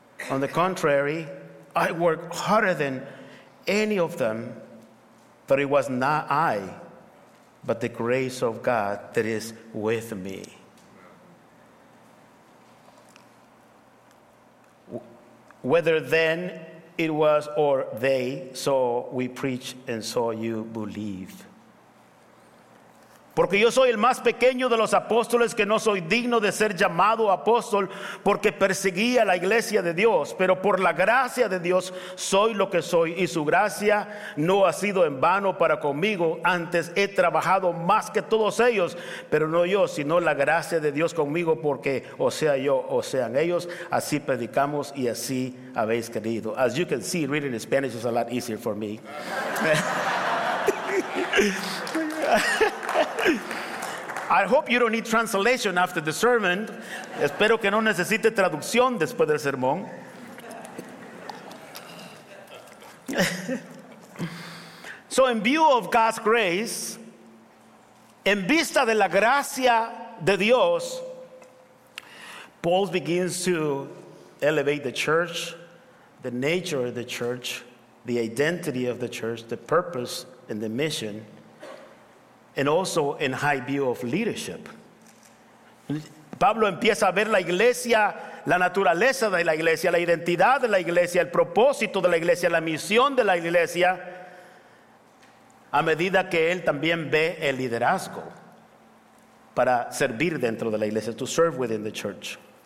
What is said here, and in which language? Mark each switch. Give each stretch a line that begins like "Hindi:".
English: On the contrary, I worked harder than any of them, but it was not I, but the grace of God that is with me." Whether then it was or they, so we preach and so you believe.
Spanish: Porque yo soy el más pequeño de los apóstoles, que no soy digno de ser llamado apóstol, porque perseguí a la iglesia de Dios. Pero por la gracia de Dios soy lo que soy, y su gracia no ha sido en vano para conmigo. Antes he trabajado más que todos ellos, pero no yo, sino la gracia de Dios conmigo, porque o sea yo o sean ellos, así predicamos y así habéis creído.
English: As you can see, reading in Spanish is a lot easier for me. I hope you don't need translation after the sermon.
Spanish: Espero que no necesite traducción después del sermón.
English: So in view of God's grace,
Spanish: en vista de la gracia de Dios,
English: Paul begins to elevate the church, the nature of the church, the identity of the church, the purpose and the mission, and also in high view of leadership.
Spanish: Pablo empieza a ver la iglesia, la naturaleza de la iglesia, la identidad de la iglesia, el propósito de la iglesia, la misión de la iglesia, a medida que él también ve el liderazgo para servir dentro de la iglesia,
English: to serve within the church.